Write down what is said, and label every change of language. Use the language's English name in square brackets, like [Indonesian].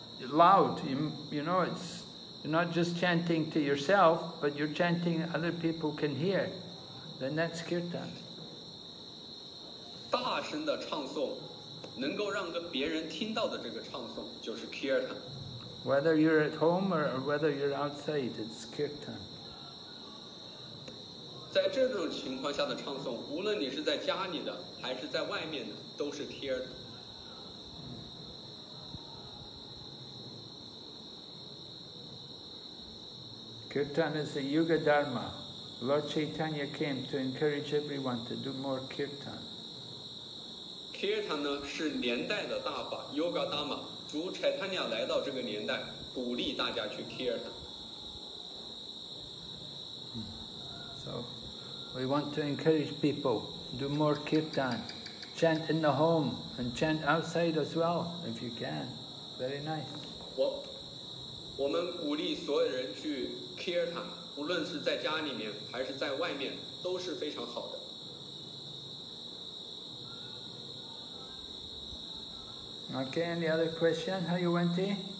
[English] loud, you know, it's you're not just chanting to yourself, but you're chanting other people can hear. Then that's kirtan. [Chinese] 大声的唱诵，能够让别人听到的这个唱诵就是 kirtan. [English] Whether you're at home or whether you're outside, it's kirtan. [Chinese] 在这种情况下的唱诵，无论你是在家里的还是在外面的，都是 kirtan. [English] Kirtan is a Yuga Dharma. Lord Chaitanya came to encourage everyone to do more Kirtan. [Chinese] Kirtan 呢是年代的大法 ,Yuga Dharma. 主 Chaitanya 来到这个年代鼓励大家去 Kirtan. [English] So, we want to encourage people to do more Kirtan. Chant in the home and chant outside as well, if you can. Very nice. [Chinese] 我们鼓励所有人去 Kirtan, 无论是在家里面还是在外面都是非常好的。 [English] Okay, any other question? [Chinese] 还有问题？